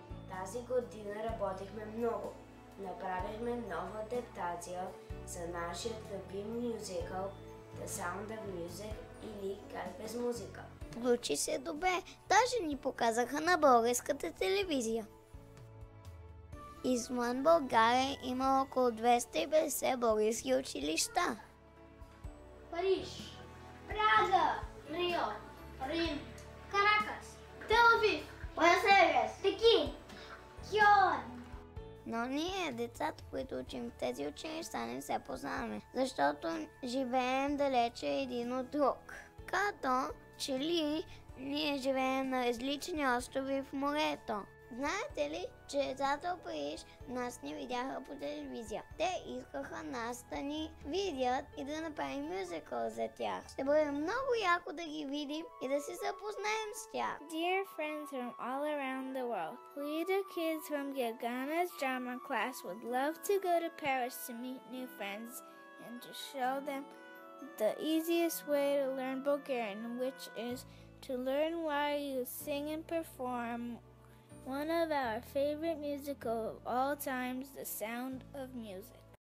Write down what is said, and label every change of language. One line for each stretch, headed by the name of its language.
Bulgarian: Тази година работихме много. Направихме нова адаптация за нашия любим мюзикъл The Sound of Music или Как без музика. Получи се добре, даже ни показаха на българската телевизия. Извън България има около 250 български училища. Париж, Прага, Рио, Рим, Каракас, Тел Авив, Буенос Айрес, Пекин, Кьон. Но ние, децата, които учим в тези училища, не се познаваме, защото живеем далече един от друг. Като че ли ние живеем на различни острови в морето. Знаете ли, че децата в Париж нас ни видяха по телевизия. Те искаха нас да ни видят и да направим мюзикъл за тях. Ще бъде много яко да ги видим и да се запознаем с тях.
English: Dear friends from all around the world, we the kids from Gagana's drama class would love to go to Paris to meet new friends and to show them the easiest way to learn Bulgarian, which is to learn why you sing and perform one of our favorite musical of all times, The Sound of Music.